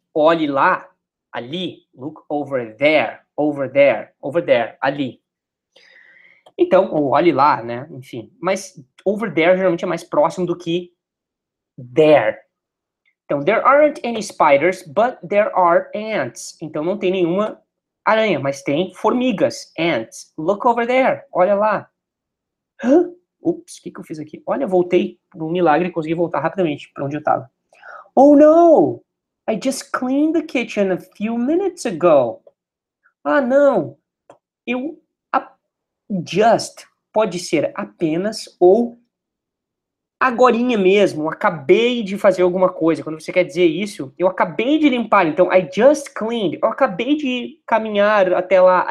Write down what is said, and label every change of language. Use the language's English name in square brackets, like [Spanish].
[Portuguese] Olhe lá, ali. [English] Look over there, over there, over there, ali. [Portuguese] Então, ou olhe lá, né? Enfim, mas [English] over there [Portuguese] geralmente é mais próximo do que there. [English] Então, there aren't any spiders, but there are ants. [Portuguese] Então, não tem nenhuma aranha, mas tem formigas, ants. [English] Look over there, [Portuguese] olha lá. Ups, o que eu fiz aqui? Olha, voltei por um milagre e consegui voltar rapidamente para onde eu estava. [English] Oh, no! I just cleaned the kitchen a few minutes ago. [Portuguese] Ah, não! Eu just pode ser apenas ou agorinha mesmo, acabei de fazer alguma coisa. Quando você quer dizer isso, eu acabei de limpar. Então, [English] I just cleaned. [Portuguese] Eu acabei de caminhar até lá.